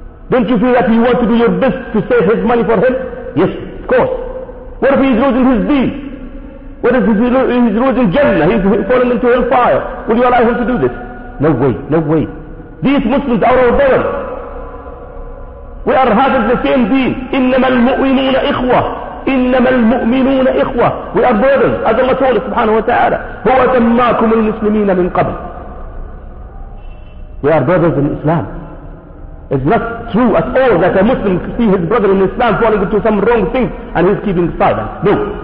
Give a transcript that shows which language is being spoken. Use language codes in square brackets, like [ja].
[en] Don't you feel that you want to do your best to save his money for him? Yes, of course. What if he is losing his deed? What if he's losing Jannah? He's falling into hellfire. Will you allow him to do this? No way, no way. These Muslims are our brothers. We are having the same deen. [ar] إِنَّمَا الْمُؤْمِنُونَ إِخْوَةٌ إِنَّمَا الْمُؤْمِنُونَ إِخْوَةٌ [en] We are brothers. As Allah told us, subhanahu wa ta'ala, [ar] هُوَ سَمَّاكُمُ الْمُسْلِمِينَ مِنْ قَبْلِ [en] We are brothers in Islam. It's not true at all that a Muslim can see his brother in Islam falling into some wrong things and he's keeping silent. No.